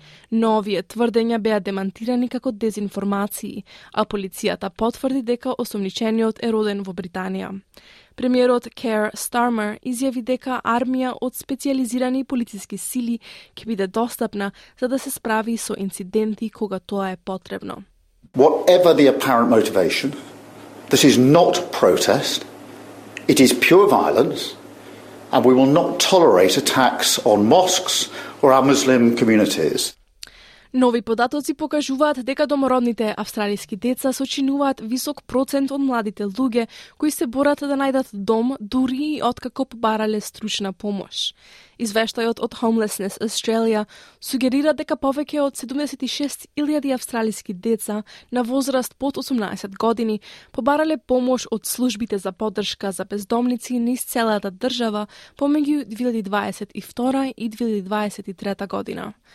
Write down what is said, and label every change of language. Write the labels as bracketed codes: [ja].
[mk] Но овие тврдења беа демантирани како дезинформации, а полицијата потврди дека осумничениот е роден во Британија. Премиерот Кер Стармер изјави дека армија од специализирани полициски сили ќе биде достапна за да се справи со инциденти кога тоа е потребно. [en] Whatever the apparent motivation, this is not protest. It is pure violence, and we will not tolerate attacks on mosques or our Muslim communities. [mk] Нови податоци покажуваат дека домородните австралиски деца сочинуваат висок процент од младите луѓе кои се борат да најдат дом дури и откако побарале стручна помош. Извештајот од Homelessness Australia сугерира дека повеќе од 76.000 австралиски деца на возраст под 18 години побарале помош од службите за поддршка за бездомници низ целата држава помеѓу 2022 и 2023 година.